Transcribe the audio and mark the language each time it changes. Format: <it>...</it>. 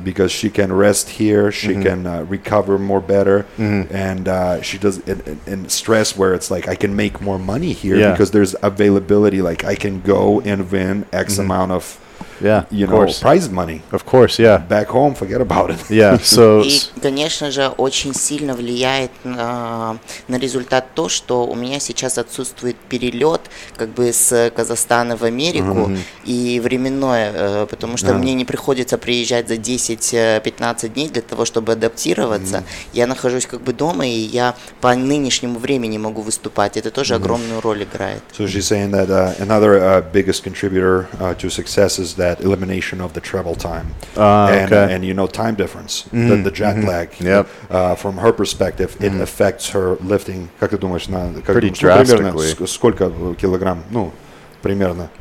<en>Because she can rest here, she can recover more better, and she does it in stress where it's like I can make more money here because there's availability. Like I can go and win X amount of yeah, you know, course. Prize money. Of course, yeah. Back home, forget about it. Yeah, so...</en> <ru>И, конечно же, очень сильно влияет на результат то, что у меня сейчас отсутствует перелет как бы с Казахстана в Америку и временное, потому что мне не приходится приезжать за 10-15 дней для того, чтобы адаптироваться. Я нахожусь как бы дома, и я по нынешнему времени могу выступать. Это тоже огромную роль играет.</ru> <en>So she's saying that another biggest contributor to success is that elimination of the travel time. And you know, time difference, the jet lag. Yep. From her perspective, it affects her lifting.</en> <ru>Как ты думаешь, на</ru> <en>pretty drastically.</en> <ru>Сколько килограмм? Ну, примерно.</ru>